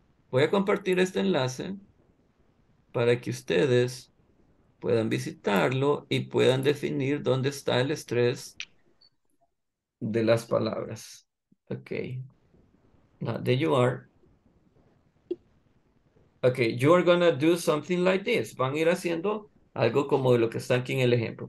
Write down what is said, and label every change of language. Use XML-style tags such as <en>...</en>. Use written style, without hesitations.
<es>Voy a compartir este enlace para que ustedes puedan visitarlo y puedan definir dónde está el estrés de las palabras.</es> <en>Okay, now there you are. Okay, you are gonna do something like this.</en> <es>Van a ir haciendo algo como de lo que está aquí en el ejemplo.</es>